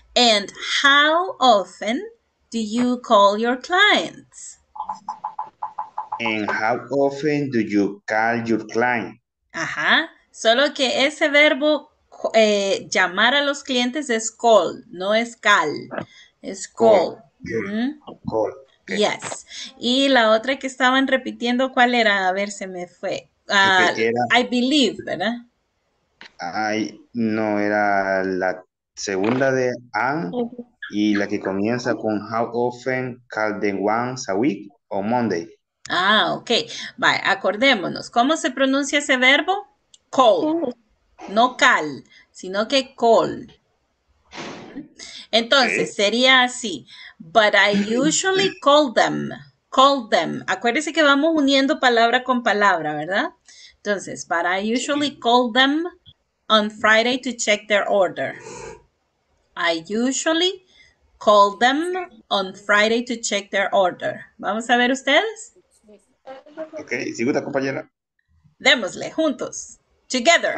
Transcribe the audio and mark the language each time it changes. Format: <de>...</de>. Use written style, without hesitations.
<en>And how often do you call your clients? And how often do you call your client?</en> <es>Ajá. Solo que ese verbo llamar a los clientes es call, no es cal. Es call.</es> <en>Call. Okay. Yes.</en> <es>Y la otra que estaban repitiendo, ¿cuál era? A ver, se me fue.</es> <en>I believe,</en> <es>¿verdad? No, era la segunda de am y la que comienza con</es> <en>how often call them once a week</en> <es>o Monday. Ah, ok. Vale, acordémonos. ¿Cómo se pronuncia ese verbo? Call. No cal, sino que call. Entonces, okay. Sería así.</es> <en>But I usually call them. Call them.</en> <es>Acuérdese que vamos uniendo palabra con palabra, ¿verdad? Entonces,</es> <en>but I usually call them on Friday to check their order. I usually call them on Friday to check their order.</en> <es>¿Vamos a ver ustedes? Ok, segunda compañera. Démosle, juntos.</es> <en>Together.</en>